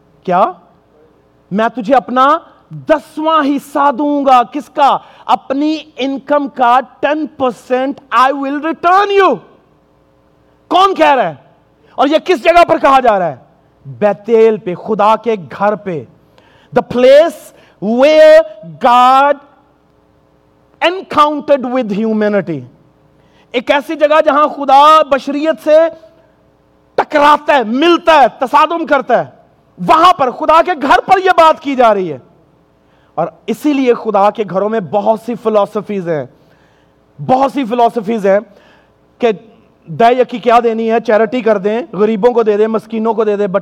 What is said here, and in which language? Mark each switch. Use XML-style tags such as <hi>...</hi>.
<ur>کیا؟ میں تجھے اپنا دسواں حصہ دوں گا. کس کا؟ اپنی انکم کا 10%.</ur> <en>I will return you.</en> <ur>کون کہہ رہا ہے اور یہ کس جگہ پر کہا جا رہا ہے؟ بیتیل پہ, خدا کے گھر پہ.</ur> <en>The place where God encountered with humanity.</en> <ur>ایک ایسی جگہ جہاں خدا بشریت سے ٹکراتا ہے, ملتا ہے, تصادم کرتا ہے, وہاں پر خدا کے گھر پر یہ بات کی جا رہی ہے. اور اسی لیے خدا کے گھروں میں بہت سی فلسفیز ہیں, بہت سی فلسفیز ہیں کہ دہی کی کیا دینی ہے, چیریٹی کر دیں, غریبوں کو دے دیں, مسکینوں کو دے دیں.</ur>